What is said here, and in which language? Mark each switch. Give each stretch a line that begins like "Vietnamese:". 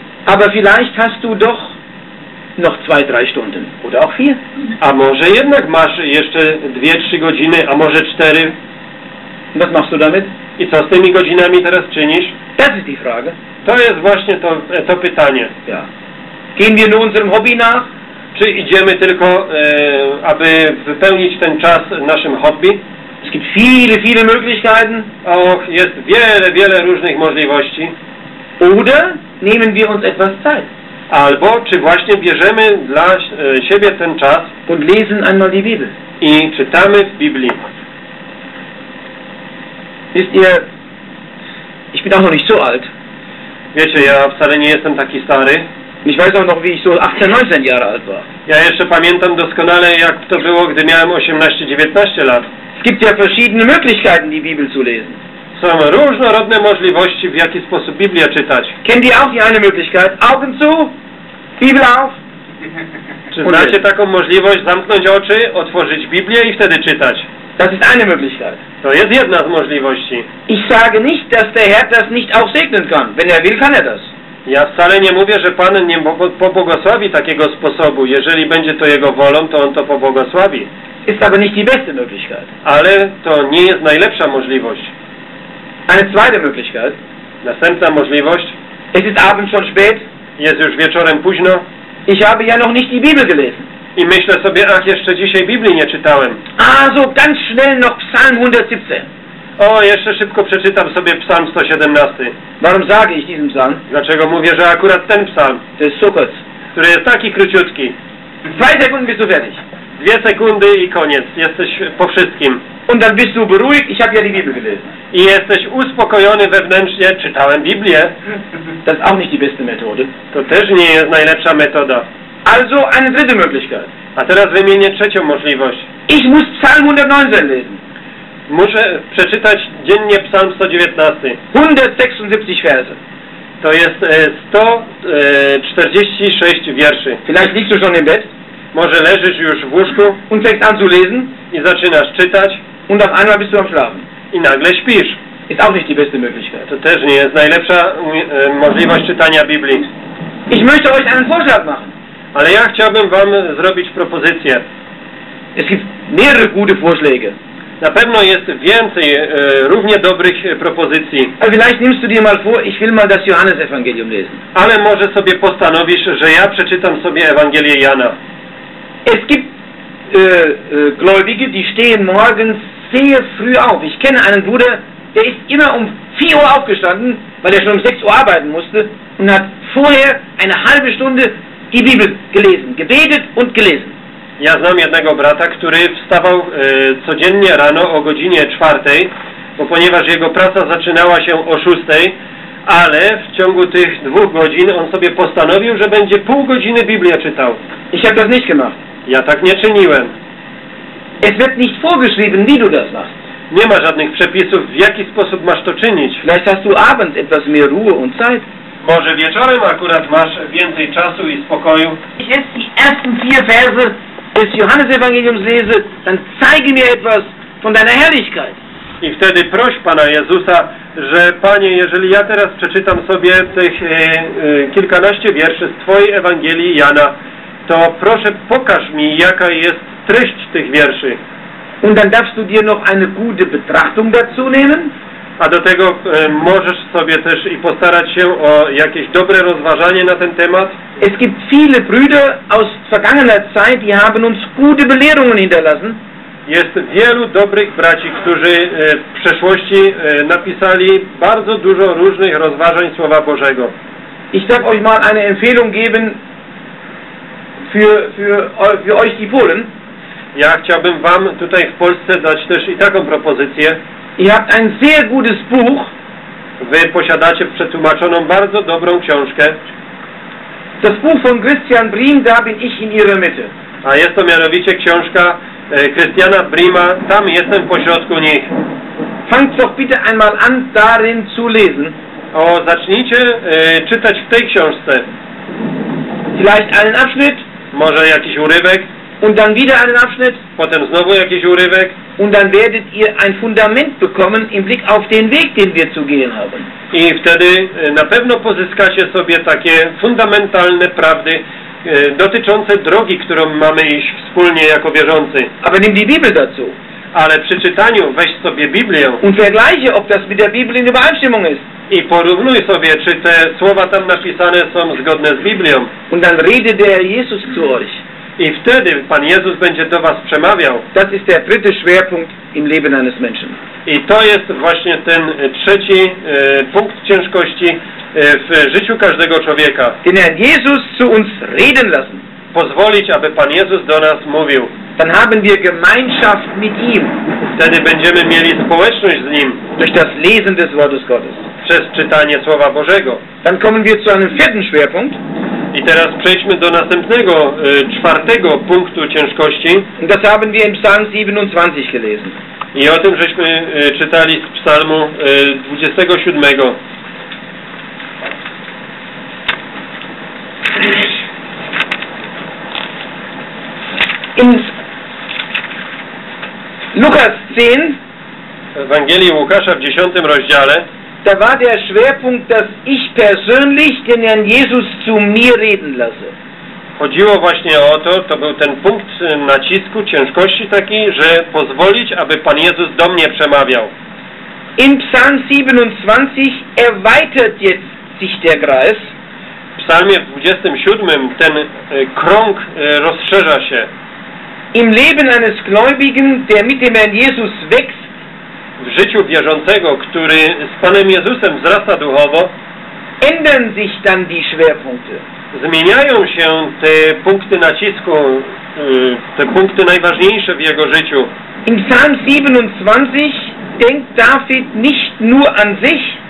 German: Aber vielleicht hast du doch noch 2-3 Stunden oder auch 4.
Polish: A może jednak masz jeszcze 2-3 godziny, a może 4.
German: Was machst du damit?
Polish: I co z tymi godzinami teraz czynisz?
German: Das ist die Frage.
Polish: To jest właśnie to pytanie.
German: Ja. Gehen wir nur unserem Hobby nach?
Polish: Czy idziemy tylko, aby wypełnić ten czas naszym hobby?
German: Es gibt viele, viele Möglichkeiten.
Polish: Och, jest wiele, wiele różnych możliwości.
German: Oder nehmen wir uns etwas Zeit.
Polish: Albo czy właśnie bierzemy dla siebie ten czas
German: und lesen einmal die Bibel.
Polish: I czytamy w Biblii.
German: Wisst ihr, ich bin auch noch nicht so alt.
Polish: Wiecie, ja wcale nie jestem taki stary.
German: Ich weiß auch noch, wie ich so 18-19 Jahre alt war.
Polish: Ja jeszcze pamiętam doskonale, jak to było, gdy miałem 18-19 lat.
German: Es gibt ja verschiedene Möglichkeiten, die Bibel zu lesen.
Polish: Są różnorodne możliwości, w jaki sposób Biblia czytać.
German: Kennt ihr auch die eine Möglichkeit? Augen zu, Bibel auf.
Polish: Czy znacie taką możliwość zamknąć oczy, otworzyć Biblię i wtedy czytać?
German: Das ist eine Möglichkeit.
Polish: To jest jedna z możliwości.
German: Ich sage nicht, dass der Herr das nicht auch segnen kann. Wenn er will, kann er das.
Polish: Ja wcale nie mówię, że Pan nie pobłogosławi takiego sposobu. Jeżeli będzie to Jego wolą, to On to pobłogosławi.
German: Ist aber nicht die beste Möglichkeit.
Polish: Ale to nie jest najlepsza możliwość.
German: Eine zweite Möglichkeit.
Polish: Następna możliwość.
German: Es ist abends schon spät.
Polish: Jest już wieczorem późno.
German: Ich habe ja noch nicht die Bibel gelesen.
Polish: I myślę sobie, ach, jeszcze dzisiaj Biblii nie czytałem.
German: Also ganz schnell noch Psalm 117.
Polish: O, jeszcze szybko przeczytam sobie Psalm 117.
German: Warum sage ich diesen Psalm?
Polish: Dlaczego mówię, że akurat ten psalm? To jest super. Który jest taki króciutki.
German: 2 sekundy bist du fertig.
Polish: 2 sekundy i koniec. Jesteś po wszystkim.
German: Und dann bist du beruhigt, ich habe ja die Bibel gelesen.
Polish: I jesteś uspokojony wewnętrznie, czytałem Biblię.
German: Das ist auch nicht die beste Methode.
Polish: To też nie jest najlepsza metoda.
German: Also eine dritte Möglichkeit.
Polish: A teraz wymienię trzecią możliwość.
German: Ich muss Psalm 119 lesen.
Polish: Muszę przeczytać dziennie Psalm 119.
German: 176 verse.
Polish: To jest 146 wierszy.
German: Vielleicht liegst du schon im Bett.
Polish: Może leżysz już w łóżku.
German: Und fängst an zu lesen.
Polish: I zaczynasz czytać.
German: Und auf einmal bist du am Schlafen.
Polish: I nagle śpisz.
German: Ist auch nicht die beste Möglichkeit.
Polish: To też nie jest najlepsza możliwość czytania Biblii.
German: Ich möchte euch einen Vorschlag machen.
Polish: Ale ja chciałbym wam zrobić propozycję.
German: Es gibt mehrere gute Vorschläge.
Polish: Na pewno jest więcej równie dobrych propozycji. Ale
German: vielleicht nimmst du dir mal vor, ich will mal das Johannes-Evangelium lesen.
Polish: Ale może sobie postanowisz, że ja przeczytam sobie Ewangelię Jana.
German: Es gibt Gläubige, die stehen morgens sehr früh auf. Ich kenne einen Bruder, der ist immer um 4 Uhr aufgestanden, weil er schon um 6 Uhr arbeiten musste und hat vorher eine halbe Stunde die Bibel gelesen, gebetet und gelesen.
Polish: Ja znam jednego brata, który wstawał codziennie rano o godzinie 4, bo ponieważ jego praca zaczynała się o 6, ale w ciągu tych 2 godzin on sobie postanowił, że będzie 0,5 godziny Biblię czytał.
German: Ich hab das nicht gemacht.
Polish: Ja tak nie czyniłem.
German: Es wird nicht vorgeschrieben, wie du das machst.
Polish: Nie ma żadnych przepisów, w jaki sposób masz to czynić.
German: Vielleicht hast du abends etwas mehr Ruhe und Zeit.
Polish: Może wieczorem akurat masz więcej czasu i spokoju. Jeśli
German: ersten 4
Polish: wersy
German: des Johannes-Evangeliums lese, dann zeige mir etwas von deiner Herrlichkeit.
Polish: I wtedy proś Pana Jezusa, że Panie, jeżeli ja teraz przeczytam sobie tych kilkanaście wierszy z Twojej Ewangelii Jana, to proszę pokaż mi, jaka jest treść tych wierszy.
German: Und dann darfst du dir noch eine gute Betrachtung dazu nehmen.
Polish: A do tego możesz sobie też i postarać się o jakieś dobre rozważanie na ten temat.
German: Es gibt viele Brüder aus vergangener Zeit, die haben uns gute Belehrungen hinterlassen.
Polish: Jest wielu dobrych braci, którzy w przeszłości napisali bardzo dużo różnych rozważań Słowa Bożego.
German: Ich darf euch mal eine Empfehlung geben für euch die Polen.
Polish: Ja chciałbym wam tutaj w Polsce dać też i taką propozycję.
German: Ihr habt ein sehr gutes Buch.
Polish: Wy posiadacie przetłumaczoną bardzo dobrą książkę.
German: Das Buch von Christian Brehm, da bin ich in ihrer Mitte.
Polish: A jest to mianowicie książka Christiana Brehma, tam jestem pośrodku nich.
German: Fangt doch bitte einmal an, darin zu lesen.
Polish: O, zacznijcie czytać w tej książce.
German: Vielleicht einen Abschnitt.
Polish: Może jakiś urywek.
German: Und dann wieder einen Abschnitt.
Polish: Potem znowu jakiś urywek.
German: Und dann werdet ihr ein Fundament bekommen im Blick auf den Weg, den wir zu gehen haben.
Polish: I wtedy na pewno pozyskacie sobie takie fundamentalne prawdy dotyczące drogi, którą mamy iść wspólnie jako wierzący.
German: Aber nimm die Bibel dazu.
Polish: Ale przy czytaniu weź sobie Biblię.
German: Und vergleiche, ob das mit der Bibel in Übereinstimmung ist.
Polish: I porównuj sobie, czy te słowa tam napisane są zgodne z Biblią.
German: Und dann rede der Jesus zu euch.
Polish: I wtedy Pan Jezus będzie do was przemawiał.
German: Das ist der dritte Schwerpunkt im Leben eines Menschen.
Polish: I to jest właśnie ten trzeci punkt ciężkości w życiu każdego człowieka.
German: Den Herrn Jesus zu uns reden lassen.
Polish: Pozwolić, aby Pan Jezus do nas mówił.
German: Dann haben wir Gemeinschaft mit ihm.
Polish: Wtedy będziemy mieli społeczność z nim.
German: Durch das Lesen des Wortes Gottes.
Polish: Przez czytanie Słowa Bożego.
German: Dann kommen wir zu einem vierten Schwerpunkt.
Polish: I teraz przejdźmy do następnego, czwartego punktu ciężkości.
German: Das haben wir im Psalm 27 gelesen.
Polish: I o tym żeśmy czytali z Psalmu 27.
German: In Lukas 10,
Polish: w Ewangelii Łukasza w 10 rozdziale,
German: da war der Schwerpunkt, dass ich persönlich den Herrn Jesus zu mir reden lasse.
Polish: Chodziło właśnie o to, to był ten punkt nacisku, ciężkości taki, że pozwolić, aby Pan Jezus do mnie przemawiał.
German: In Psalm 27 erweitert jetzt sich der Kreis.
Polish: W Psalmie 27 ten krąg rozszerza się.
German: Im Leben eines Gläubigen, der mit dem Herrn Jesus wächst,
Polish: w życiu wierzącego, który z Panem Jezusem wzrasta duchowo,
German: ändern sich dann die Schwerpunkte.
Polish: Zmieniają się te punkty nacisku, te punkty najważniejsze w jego życiu.
German: In Psalm 27 denkt David nicht nur an sich.